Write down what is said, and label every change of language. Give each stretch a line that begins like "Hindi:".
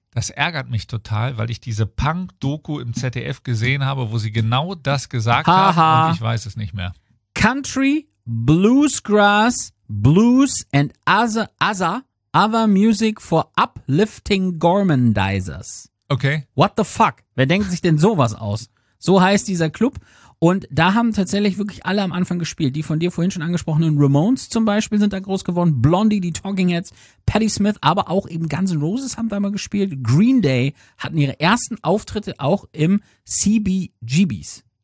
German: Das ärgert mich total, weil ich diese Punk-Doku im ZDF gesehen habe, wo sie genau das gesagt hat und ich weiß es nicht mehr.
English: Country, Bluesgrass, Blues and other music for uplifting gormandizers. Okay. What the fuck?
German: Wer denkt sich denn sowas aus? So heißt dieser Club. Und da haben tatsächlich wirklich alle am Anfang gespielt. Die von dir vorhin schon angesprochenen Ramones zum Beispiel sind da groß geworden. Blondie, die Talking Heads, Patti Smith, aber auch eben Guns N' Roses haben da mal gespielt. Green Day hatten ihre ersten Auftritte auch im CBGBs.